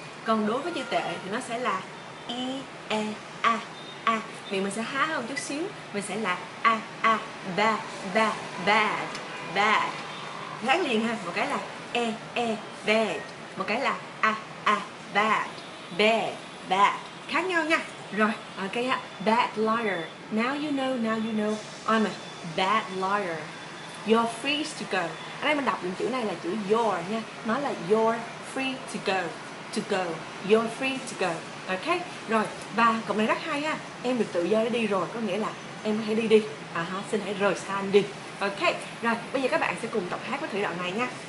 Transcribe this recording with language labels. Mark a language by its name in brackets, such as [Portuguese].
[Vietnamese] Còn đối với chữ tệ thì nó sẽ là e, a, a. Miệng mình sẽ há hơn chút xíu. Mình sẽ là a, [English] bad, bad, bad, bad. [Vietnamese] Khác liền ha, một cái là bad, một cái là [English] bad, bad, bad, [Vietnamese] khác nhau nha. Rồi, ok ha, [English] bad liar, now you know, I'm a bad liar, you're free to go. [Vietnamese] Ở đây mình đọc những chữ này là chữ your nha, nó là [English] you're free to go, you're free to go, ok. [Vietnamese] Rồi, và cậu này rất hay ha, em được tự do để đi rồi, có nghĩa là em hãy đi đi, xin hãy rời xa anh đi. Ok, rồi, bây giờ các bạn sẽ cùng tập hát với Thủy đoạn này nha.